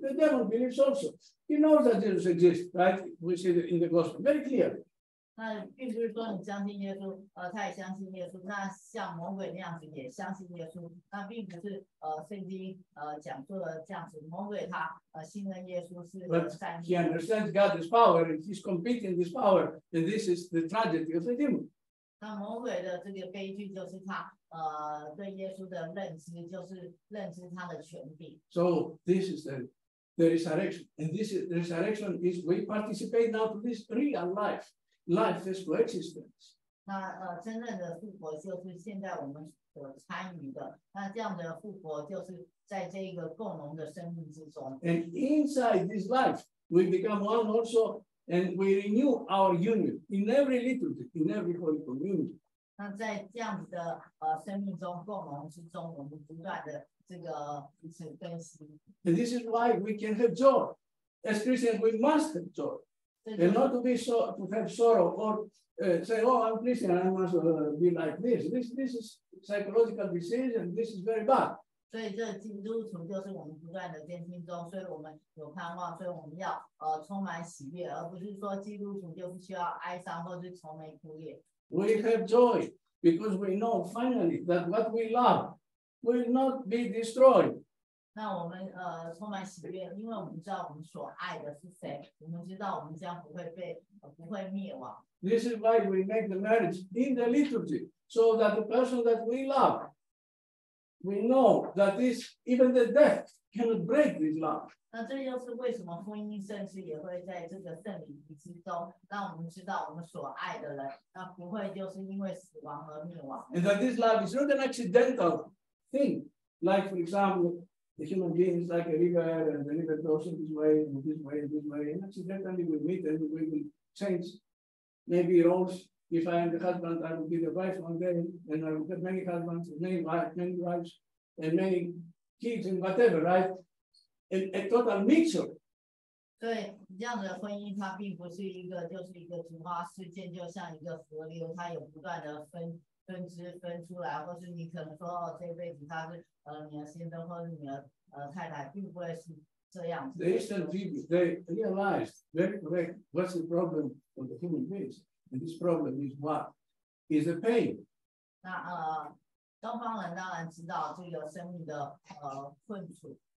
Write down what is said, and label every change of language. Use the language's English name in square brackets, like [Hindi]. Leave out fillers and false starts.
[English] The devil believes also. He knows that Jesus exists, right? We see it in the gospel very clearly. [Chinese] 那并不是说你相信耶稣，他也相信耶稣，那像魔鬼那样子也相信耶稣，那并不是圣经讲述的这样子。魔鬼他信任耶稣是善意。 [English] He understands God's power and he's competing his power, and this is the tragedy of the demon. [Chinese] 那魔鬼的这个悲剧就是他对耶稣的认知，就是认知他的权柄。 [English] So this is the resurrection, and this is, the resurrection is we participate now to this real life. Life is for existence. [Chinese] 那真正的复活就是现在我们所参与的。那这样的复活就是在这个共荣的生命之中。 [English] And inside this life, we become one also, and we renew our union in every liturgy, in every holy communion. [Chinese] 那在这样的生命中共荣之中，我们不断的这个彼此更新。 [English] And this is why we can have joy. As Christians, we must have joy. And not to be so to have sorrow or say, oh, I'm Christian, I must be like this. This is psychological disease, and this is very bad. [Chinese] 所以这基督徒就是我们不断的更新中，所以我们有盼望，所以我们要充满喜悦，而不是说基督徒就不需要哀伤或是愁眉苦脸。 [English] We have joy because we know finally that what we love will not be destroyed. [Chinese] 那我们充满喜悦，因为我们知道我们所爱的是谁，我们知道我们将不会灭亡。 [English] This is why we make the marriage in the liturgy, so that the person that we love, we know that this even the death cannot break this love. [Chinese] 那这就是为什么婚姻甚至也会在这个圣礼仪之中，让我们知道我们所爱的人，那不会就是因为死亡而灭亡。 [English] And that this love is not an accidental thing, like for example. The human being is like a river, and the river goes in this way, and this way, and this way. And accidentally, we meet and we will change. Maybe roles. If I am the husband, I will be the wife one day, and I will have many husbands, many wives, and many kids, and whatever, right? A total mixture. [Chinese] 对这样的婚姻，它并不是一个，就是一个突发事件，就像一个河流，它有不断的分支分出来，或是你可能说，哦，这辈子他是你的先生，或是你的太太，并不会是这样子。 [English] The Eastern people they realized very correct what's the problem of the human beings, and this problem is what is the pain. [Chinese] 那东方人当然知道这个生命的困楚。